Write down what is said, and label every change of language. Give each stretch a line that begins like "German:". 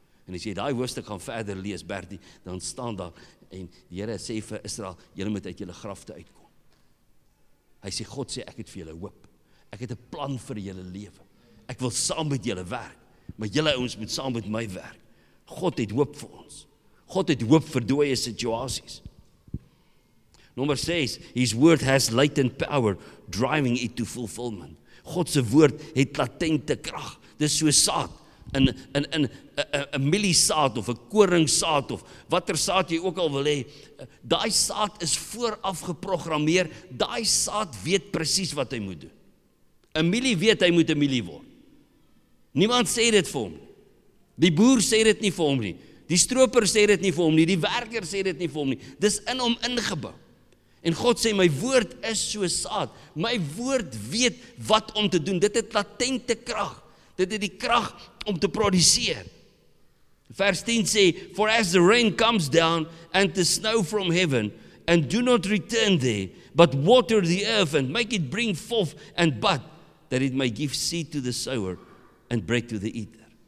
Afrikaans: En as jy daai hoofstuk gaan verder lees, Bertie, dan staan daar en die Here sê vir Israel, julle moet uit julle grafte uitkom. Hy sê, God sê, ek het vir julle hoop. Ek het 'n plan vir julle lewe. Ek wil saam met julle werk, maar julle ouens moet saam met my werk. God het hoop vir ons. God het hoop vir dooie situasies. Nommer 6,
English: His word has latent power, driving it to fulfillment.
Afrikaans: God se woord het latente krag. Dis so saad. In 'n mieliesaad of 'n koringsaad of watter saad jy ook al wil hê, daai saad is vooraf geprogrammeer, daai saad weet presies wat hy moet doen. 'n mielie weet hy moet 'n mielie word. Niemand sê dit vir hom. Die boer sê dit nie vir hom nie. Die stroper sê dit nie vir hom nie. Die werker sê dit nie vir hom nie. Dis in hom ingebou. En God sê, my woord is so saad. My woord weet wat om te doen. Dit het latente krag. Dit het die krag om te produseer. Vers 10 sê,
English: for as the rain comes down and the snow from heaven, and do not return there, but water the earth and make it bring forth and bud, that it may give seed to the sower and bread to the eater.